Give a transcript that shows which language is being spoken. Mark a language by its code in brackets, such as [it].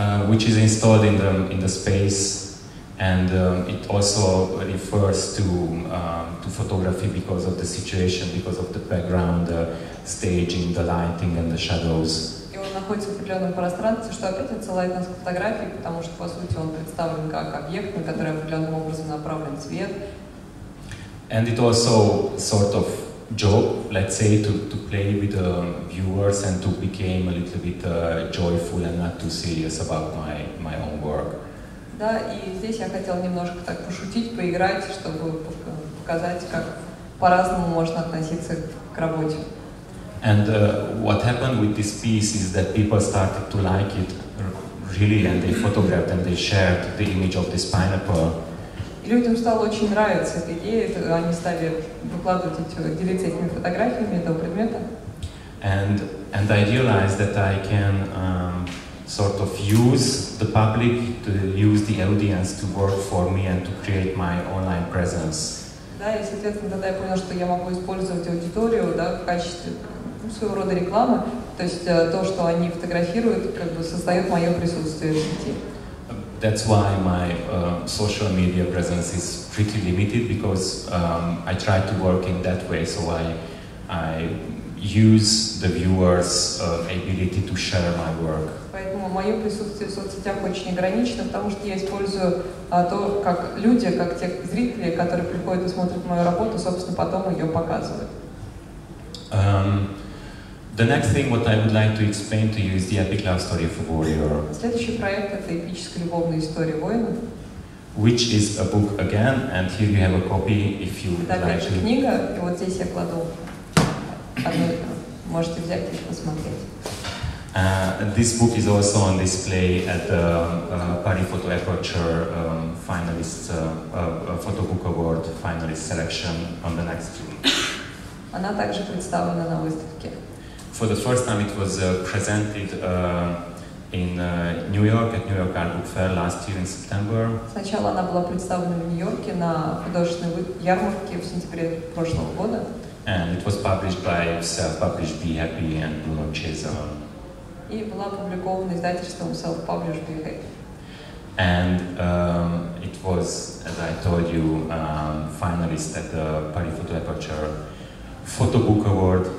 [en] Which is installed in the space, And it also refers to photography because of the situation, because of the background, the staging, the lighting and the shadows. [ru] И он находится в определенном пространстве, что опять отсылает нас к фотографии, потому что, по сути, он представлен как объект, на который определенным образом направлен свет. [en] And it also sort of joke, let's say, to play with the viewers and to become a little bit joyful and not too serious about my own work. [ru] Да, и здесь я хотел немножко так пошутить, поиграть, чтобы показать, как по-разному можно относиться к работе. [en] And what happened with this piece is that people started to like it really, and they photographed and they shared the image of this pineapple. [ru] Людям стало очень нравиться эта идея, они стали выкладывать эти, делиться этими фотографиями этого предмета. [en] And I realized that I can sort of use the public, to use the audience to work for me and to create my online presence. [ru] Да, и соответственно тогда я понял, что я могу использовать аудиторию, да, в качестве, ну, своего рода рекламы, то есть то, что они фотографируют, как бы создает мое присутствие в сети. [en] That's why my social media presence is pretty limited, because I try to work in that way, so I use the viewers' ability to share my work. [ru] Поэтому мое присутствие в соцсетях очень ограничено, потому что я использую то, как люди, как те зрители, которые приходят и смотрят мою работу, собственно, потом ее показывают. [en] The next thing what I would like to explain to you is the epic love story of a warrior. [ru] Следующий проект — это эпическая любовная история воина. [en] Which is a book again, and here you have a copy if you would like. [ru] Это книга, и вот здесь я кладу. Можете взять и посмотреть. [en] This book is also on display at the Paris Photo Aperture finalist photo book award finalist selection on the next June. [ru] Она также представлена на выставке. [en] For the first time, it was presented in New York at New York Art Book Fair last year in September. [ru] Сначала она была представлена в Нью-Йорке на художественной ярмарке в сентябре прошлого года. [en] And it was published by self-published Be Happy and Bruno Chiesa. [ru] И была опубликована издательством [en] self-published [ru] Be Happy. [en] And it was, as I told you, finalist at the Paris Photo Aperture Photo Book Award.